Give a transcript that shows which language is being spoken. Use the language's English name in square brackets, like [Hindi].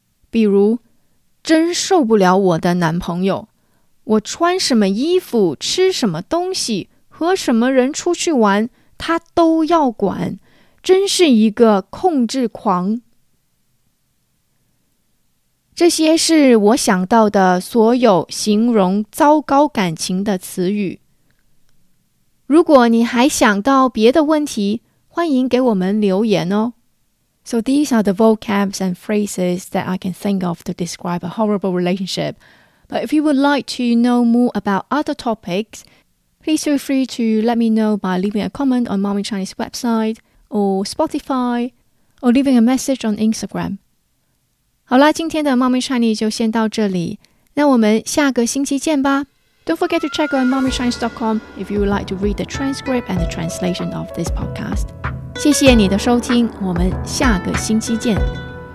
[Chinese] 比如真受不了我的男朋友，我穿什么衣服、吃什么东西、和什么人出去玩，他都要管，真是一个控制狂。这些是我想到的所有形容糟糕感情的词语。如果你还想到别的问题，欢迎给我们留言哦。 [English] So these are the vocabs and phrases that I can think of to describe a horrible relationship. But if you would like to know more about other topics, please feel free to let me know by leaving a comment on Mommy Chinese website or Spotify or leaving a message on Instagram. [Chinese] 好啦，今天的 Mommy Chinese 就先到这里，那我们下个星期见吧。 [English] Don't forget to check on mommychinese.com if you would like to read the transcript and the translation of this podcast. [Chinese] 谢谢你的收听，我们下个星期见。